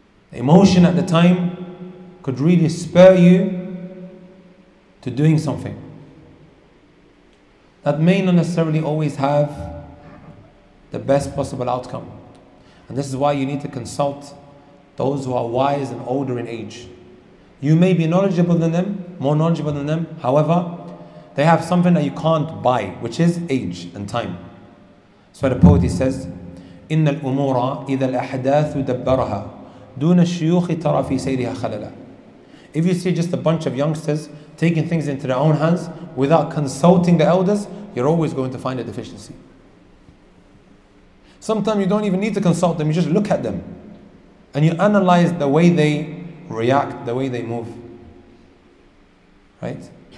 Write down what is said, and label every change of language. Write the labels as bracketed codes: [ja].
[en] The emotion at the time could really spur you to doing something that may not necessarily always have the best possible outcome. And this is why you need to consult those who are wise and older in age. You may be knowledgeable than them, more knowledgeable than them. However, they have something that you can't buy, which is age and time. So the poet, he says, [ar] إِنَّ الْأُمُورَ إِذَا الْأَحْدَاثُ دَبَّرَهَا دُونَ الشُّيُوخِ تَرَى فِي سَيْرِهَا خَلَلًا. [en] If you see just a bunch of youngsters taking things into their own hands without consulting the elders, you're always going to find a deficiency. Sometimes you don't even need to consult them, you just look at them. And you analyze the way they react, the way they move. Right?